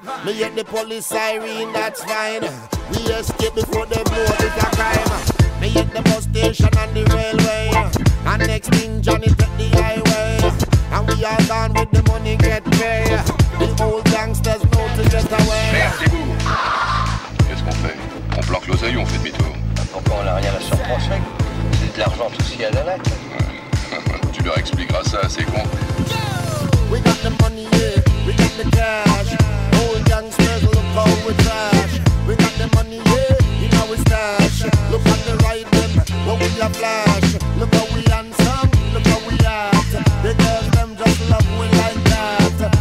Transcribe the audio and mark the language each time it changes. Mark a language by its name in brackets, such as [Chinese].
[English] Me hit the police siren, that's fine. We escape before they blow, it's a crime. Me hit the bus station and the railway. And next thing Johnny take the highway. And we all done with the money get paid. The old gangsters know to get away. [French] Qu'est-ce qu'on fait? On planque l'oseille ou on fait demi-tour? Pourquoi on a rien à surprendre, mec? C'est de l'argent tout ce qu'il y a dans la tête. Tu leur expliqueras ça à ces cons. [English] We got the money, yeah. We got the cash. Old gangsters look how we trash. We got the money, yeah, in our stash. Look at the ride them, what we a flash. Look how we handsome, look how we act. The girls them just love we like that.